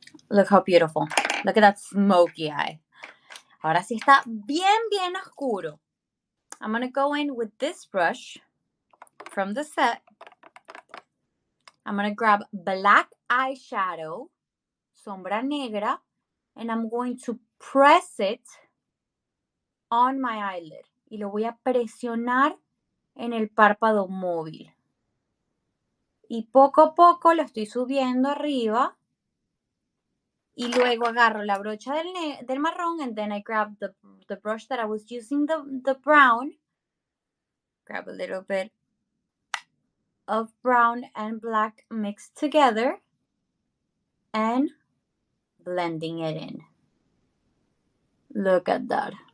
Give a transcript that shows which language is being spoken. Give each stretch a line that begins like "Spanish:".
English: Look how beautiful. Look at that smoky eye.
Spanish: Ahora sí está bien, bien oscuro.
English: I'm going to go in with this brush from the set. I'm going to grab black eyeshadow,
Spanish: sombra negra,
English: and I'm going to press it on my eyelid.
Spanish: Y lo voy a presionar en el párpado móvil. Y poco a poco lo estoy subiendo arriba. Y luego agarro la brocha del marrón.
English: And then I grab the brush that I was using, the brown. Grab a little bit of brown and black mixed together. And blending it in. Look at that.